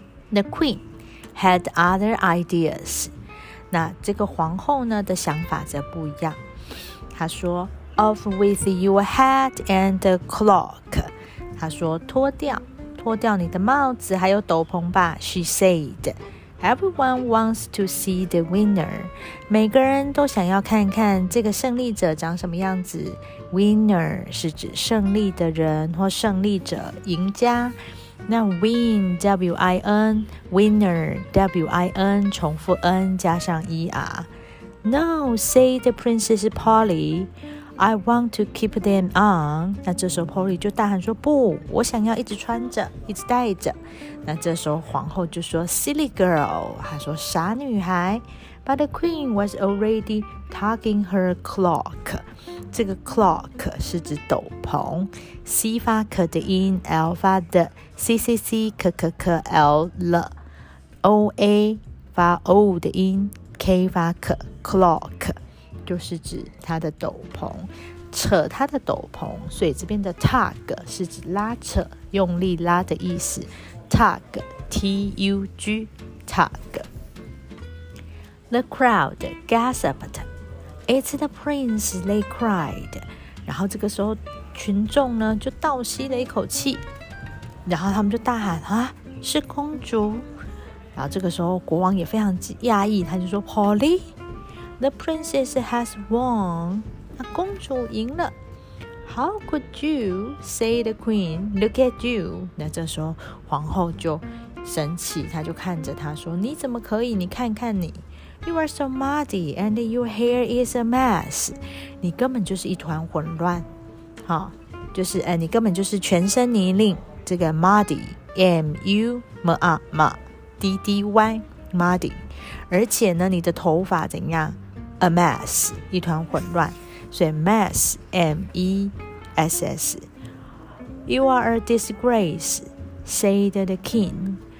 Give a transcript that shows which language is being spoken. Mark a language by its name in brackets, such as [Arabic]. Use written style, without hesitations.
[English] The queen had other ideas. [Chinese] 那这个皇后呢的想法则不一样，她说 [English] Off with your hat and cloak. [Chinese] 他说脱掉你的帽子还有斗篷吧。 [English] She said, Everyone wants to see the winner. [Chinese] 每个人都想要看看这个胜利者长什么样子。 Winner 是指胜利的人或胜利者，赢家。那 win W-I-N winner W-I-N 重复 N 加上 E-R. [English] No, said Princess PollyI want to keep them on. [Chinese] 那这时候 Polly 就大喊说，不，我想要一直穿着，一直戴着。那这时候皇后就说 [English] Silly girl， [Chinese] 她说傻女孩。 [English] But the queen was already tugging her cloak. [Chinese] 这个 cloak 是指斗篷， C 发 k 的音， L 发的 CCC k k k L l OA 发 O 的音， K 发 k cloak就是指他的斗篷，扯他的斗篷，所以这边的 tug 是指拉扯，用力拉的意思。 [English] tug T-U-G tug。 The crowd gasped It's the prince, they cried。 [Chinese] 然后这个时候群众呢就倒吸了一口气，然后他们就大喊啊，是公主。然后这个时候国王也非常讶异，他就说 [English] Polly，The princess has won. [Chinese] 那公主赢了。 [English] How could you say the queen? Look at you. [Chinese] 那这时候皇后就生气，她就看着她说，你怎么可以？你看看你。 [English] You are so muddy and your hair is a mess. [Chinese] 你根本就是一团混乱。好，就是你根本就是全身泥泞。这个 muddy, M-U-M-A-M-A-D-D-Y, muddy. 而且呢你的头发怎样 A mess 一团混乱，所以 mess M-E-S-S [English] You are a disgrace said the king。